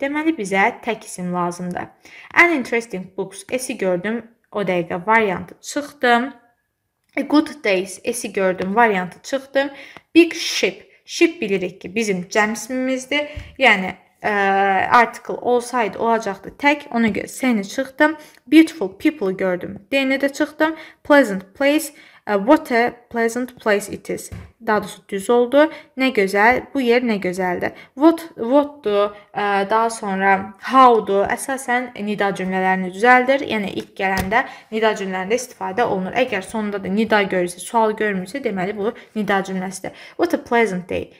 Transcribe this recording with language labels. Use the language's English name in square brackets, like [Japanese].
[Azerbaijani] Deməli, bizə tək isim lazımdır. [English] An interesting books. [Azerbaijani] S-i gördüm. O dəqiqə variantı çıxdım. [English] A good days, [Azerbaijani] S-i gördüm, variantı çıxdım. Big ship, ship bilirik ki, bizim cəm ismimizdir. Yəni, article olsaydı, olacaqdı tək, ona görə seni çıxdım. Beautiful people gördüm, D-ni də çıxdım. [English] Pleasant place, what a pleasant place it is. [Azerbaijani] Daha doğrusu düz oldu. Nə gözəl, bu yer nə gözəldir. What-dur, daha sonra how-dur, əsasən nida cümlələrini düzəldir. Yəni, ilk gələndə nida cümlələrində istifadə olunur. Əgər sonunda da nida görürsə, sual görmürsə, deməli bu nida cümləsidir. [English] What a pleasant day.